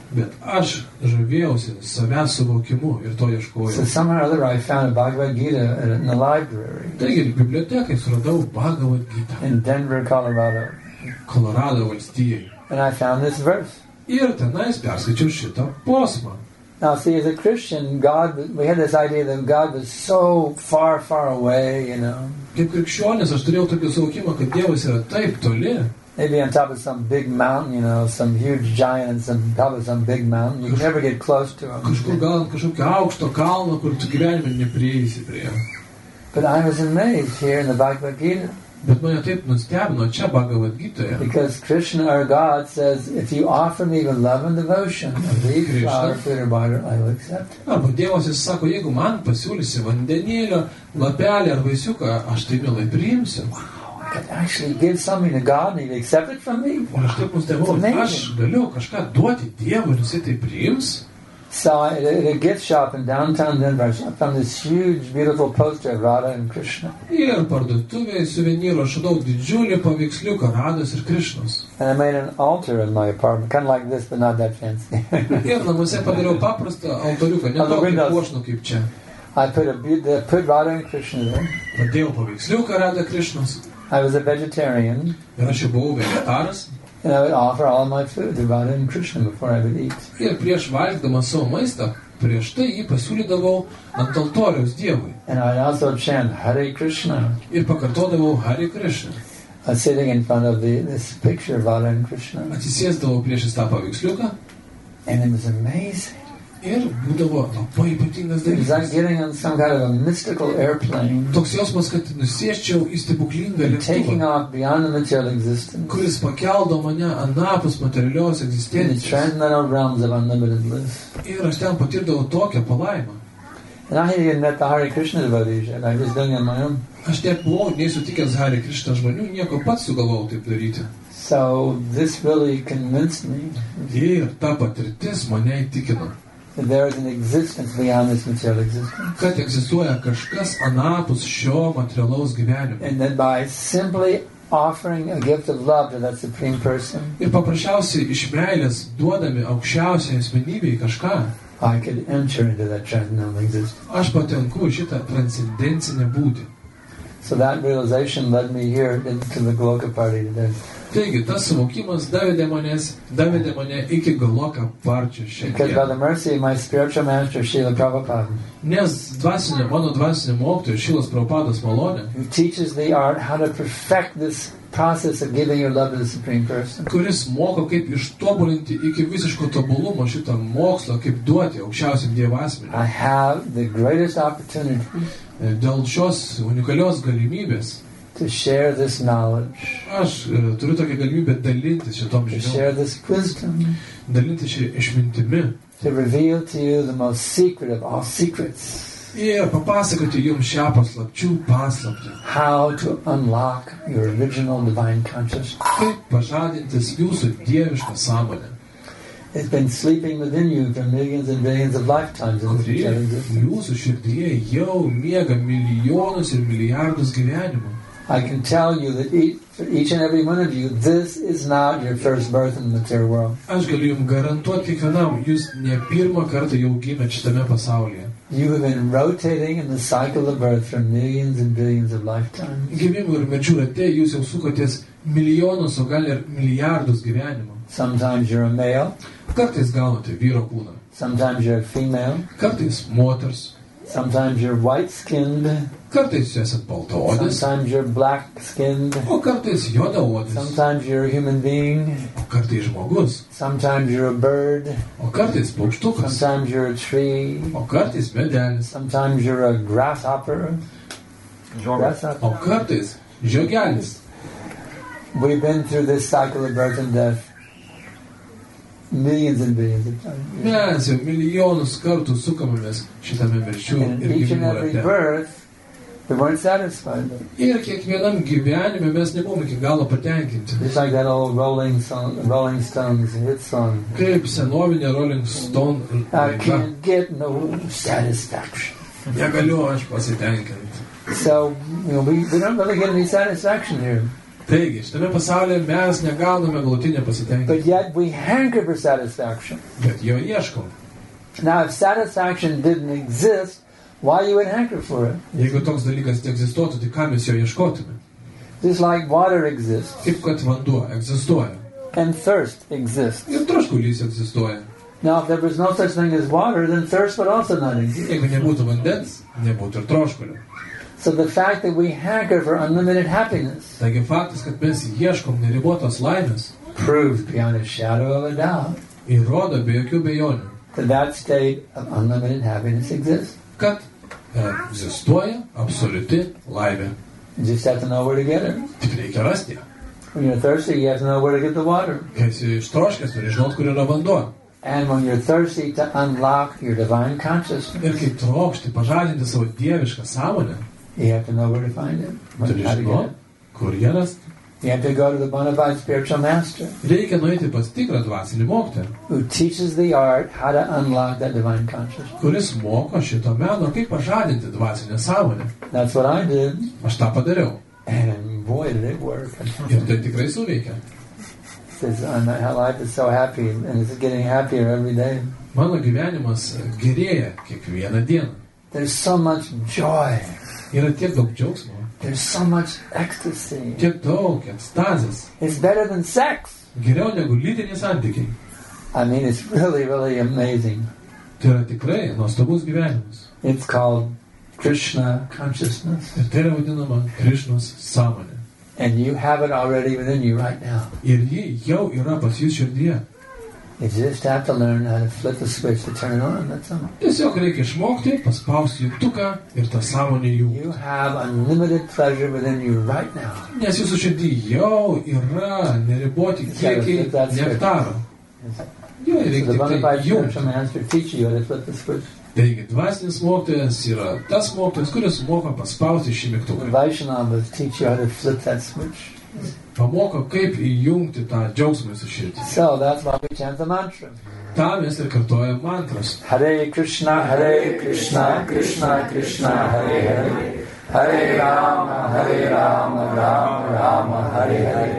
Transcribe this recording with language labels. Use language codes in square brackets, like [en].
[lt] Bet aš žavėjausi savęs suvokimu ir to ieškojau. [en] So somehow or other I found a Bhagavad Gita in the library. [lt] Taigi, bibliotekai suradau Bhagavad Gita. [en] In Denver, Colorado. [lt] Colorado valstijai. [en] And I found this verse. [lt] Ir tenais perskaičiau šitą posmą. [en] Now see, as a Christian, God, we had this idea that God was so far, far away, you know. [lt] Kaip krikščionis, aš turėjau tokį suvokimą, kad Dievas yra taip toli. [en] Maybe on top of some big mountain, you know, some huge giant, on top of some big mountain, you never get close to him. [lt] Kažkur gal ant kažkokio aukšto kalno, kur tu gyvenime neprieisi prie jo. [en] But I was amazed here in the Bhagavad Gita. [lt] Bet mane taip nustebino čia Bhagavad Gitoje. [en] Because Krishna, our God, says, if you offer me with love and devotion, a leaf flower fritter butter, I will accept. [lt] Arba Dievas jis sako, jeigu man pasiūlysi vandenėlio lapelį ar vaisiuką, aš tai mielai priimsiu. [en] But actually give something to God and he'll accept it from me. [lt] Aš galiu kažką duoti Dievui ir jisai tai priims. [en] So at a gift shop in downtown Denver, I found this huge, beautiful poster of Radha and Krishna. [lt] Ir parduotuvėje suvenyro aš radau didžiulį paveiksliuką Radhos ir Krishnos. [en] And I made an altar in my apartment, kind of like this, but not that fancy. [lt] Ir namuose padariau paprastą altoriuką, ne tokio puošno kaip čia. [en] I put Radha and Krishna there. [lt] Padėjau paveiksliuką Radha Krishnos. [en] I was a vegetarian. [lt] Ir aš jau buvau vegetaras. [en] And I would offer all my food to Radha and Krishna before I would eat. [lt] Ir prieš valgdamas savo maistą, prieš tai jį pasiūlydavau ant altoriaus Dievui. [en] And I also chant Hare Krishna. [lt] Ir pakartodavau Hare Krishna. [en] Sitting in front of this picture of Radha and Krishna. [lt] Atsisėsdavau prieš tą paveiksliuką. [en] And it was amazing. [lt] Ir būdavo labai ypatingas dalykas. [en] Like getting on some kind of a mystical airplane. [lt] Toks jausmas, kad nusėščiau į stebuklingą lėktuvą. [en] Taking off beyond the material existence. [lt] Kuris pakeldo mane anapus materialios egzistencijos. [en] In the transcendental realms of unlimited bliss. [lt] Ir aš ten patirdavau tokią palaimą. [en] And I had even met the Hare Krishna devotees, and I was doing it on my own. [lt] Aš net buvau nesutikęs Hare Krishna žmonių, nieko pats sugalvojau taip daryti. [en] So this really convinced me. [lt] Ir ta patirtis mane įtikino. [en] There is an existence beyond this material existence. [lt] Kad egzistuoja kažkas anapus šio materialaus gyvenimo. [en] And that by simply offering a gift of love to that supreme person. [lt] Ir paprasčiausiai iš meilės duodami aukščiausiai asmenybei kažką. [en] I could enter into that transcendental existence. [lt] Aš patenku į šitą transcendencinę būtį. [en] So that realization led me here into the Goloka party today. [lt] Taigi, tas suvokimas davedė mane iki Goloka party šiandien. [en] Because by the mercy of my spiritual master, Srila Prabhupada. [lt] Nes mano dvasinio mokytojo Šrilos Prabhupados malonė. [en] Who teaches the art how to perfect this process of giving your love to the Supreme Person. [lt] Kuris moko, kaip ištobulinti iki visiško tobulumo šitą mokslą, kaip duoti aukščiausiam Dievo asmeniui. [en] I have the greatest opportunity. [lt] Dėl šios unikalios galimybės [en] to share this knowledge. [lt] Aš turiu tokią galimybę dalintis šitom žiniom. [en] To share this wisdom. [lt] Dalintis šį išmintimi. [en] To reveal to you the most secret of all secrets. [lt] Ir papasakoti jums šią paslapčių paslaptį. [en] How to unlock your original divine consciousness. [lt] Kaip pažadintis jūsų dievišką sąmonę. [en] It's been sleeping within you for millions and billions of lifetimes. [lt] Jūsų širdyje jau miega milijonus ir milijardus gyvenimų. [en] I can tell you that each and every one of you, this is not your first birth in the material world. [lt] Aš galiu jums garantuoti kiekvienam, jūs ne pirmą kartą jau gimėt šitame pasaulyje. [en] You have been rotating in the cycle of birth for millions and billions of lifetimes. [lt] Gyvimų ir mirčių rate, jūs jau sukotės milijonus, o gal ir milijardus gyvenimų. [en] Sometimes you're a male. [lt] Kartais gaunate vyro kūną. [en] Sometimes you're a female. [lt] Kartais moters. [en] Sometimes you're white-skinned. [lt] Kartais jūs esat baltaodis. [en] Sometimes you're black-skinned. [lt] O kartais juodaodis. [en] Sometimes you're a human being. [lt] O kartais žmogus. [en] Sometimes you're a bird. [lt] O kartais paukštukas. [en] Sometimes you're a tree. [lt] O kartais medelis. [en] Sometimes you're a grasshopper. [lt] Grasshopper. O kartais žiogelis. [en] We've been through this cycle of birth and death. Millions and billions of times. [lt] Mes jau milijonus kartų sukamomės šitame mirčių ir gyvenimo rate. Ir kiekvienam gyvenime mes nebuvome iki galo patenkinti. [en] It's like that old Rolling Stones hit song. [lt] Kaip senovinė Rolling Stone. [en] I can't get no satisfaction. [lt] Negaliu aš pasitenkinti. [en] So, we don't really get any satisfaction here. [lt] Taigi, šitame pasaulyje mes negauname galutinę pasitenkinimą. [en] But yet we hanker for satisfaction. [lt] Bet jo ieškom. [en] Now, if satisfaction didn't exist, why you would hanker for it? [lt] Jeigu toks dalykas neegzistuotų, tai kam mes jo ieškotume? [en] Just like water exists. [lt] Kaip kad vanduo egzistuoja. [en] And thirst exists. [lt] Ir troškulys egzistuoja. [en] Now, if there was no such thing as water, then thirst would also not exist. [lt] Jeigu nebūtų vandens, nebūtų ir troškulio. [en] So the fact that we hanker for unlimited happiness. [lt] Taigi faktas, kad mes ieškom neribotos laimės. [en] Proved beyond a shadow of a doubt. [lt] Įrodo be jokių bejonių. [en] That state of unlimited happiness exists. [lt] Kad egzistuoja absoliuti laimė. [en] You just have to know where to get it. When you're thirsty, you have to know where to get the water. And when you're thirsty, to unlock your divine consciousness, you have to know where to find it. [lt] Kur jie rasti? [en] You have to go to the bona fide spiritual master. [lt] Reikia nueiti pas tikrą dvasinį mokytoją. [en] Who teaches the art how to unlock that divine consciousness? [lt] Kuris moko šito meno kaip pažadinti dvasinę sąmonę. [en] That's what I did. [lt] Aš tą padariau. [en] And boy, did it work. [lt] Ir tai tikrai suveikia. [en] Says, my life is so happy and it's getting happier every day. [lt] Mano gyvenimas gerėja kiekvieną dieną. [en] There's so much joy. [lt] Yra tiek daug džiaugsmo. [en] There's so much ecstasy. [lt] Tiek daug ekstazės. [en] It's better than sex. [lt] Geriau negu lytiniai santykiai. [en] I mean, it's really, really amazing. [lt] Tai yra tikrai nuostabus gyvenimas. [en] It's called Krishna consciousness. [lt] Ir tai yra vadinama Krishnos sąmonė. [en] And you have it already within you right now. [lt] Ir ji jau yra pas jūs širdyje. [en] You just have to learn how to flip the switch to turn it on, that's all. [lt] Tiesiog reikia išmokti, paspausti jungtuką ir tą sąmonę jungti. [en] You have unlimited pleasure within you right now. [lt] Nes jūsų širdy jau yra neriboti kiekiai nektaro. Jo, reikia tiktai jungti. Taigi, dvasinis mokytojas yra tas mokytojas, kuris moka paspausti šį mygtuką. [en] Vaishnavas teach you how to flip that switch. [lt] Pamoko, kaip įjungti tą džiaugsmą su širdį. [en] So that's why we chant the mantra. [lt] Tą mes ir kartuojam mantras. [sa] Hare Krishna, Krishna Krishna, Hare Hare. Hare Rama, Rama Rama, Hare Hare.